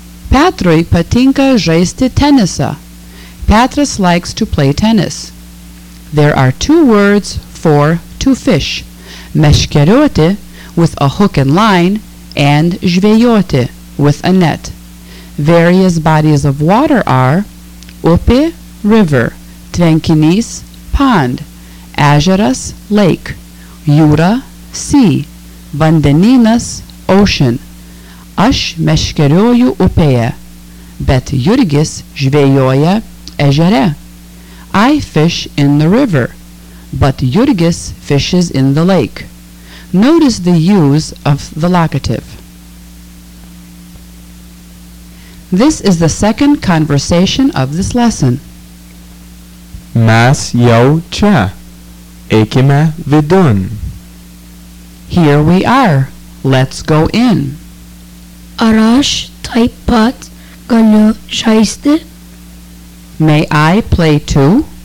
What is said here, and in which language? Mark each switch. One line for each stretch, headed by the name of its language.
Lithuanian: Petrui patinka žaisti tenisą.
English: Petras likes to play tennis. There are two words for to fish: meškerioti, with a hook and line, and žvejoti, with a net. Various bodies of water are upė, river; tvenkinys, pond; ežeras, lake; jūra, sea; vandenynas, ocean.
Lithuanian: Aš meškerioju upėje, bet Jurgis žvejoja ežere.
English: I fish in the river, but Jurgis fishes in the lake. Notice the use of the locative. This is the second conversation of this lesson.
Lithuanian: Mes jau čia. Eikime vidun.
English: Here we are. Let's go in.
Lithuanian: Ar aš taip pat galiu žaisti?
English: May I play too?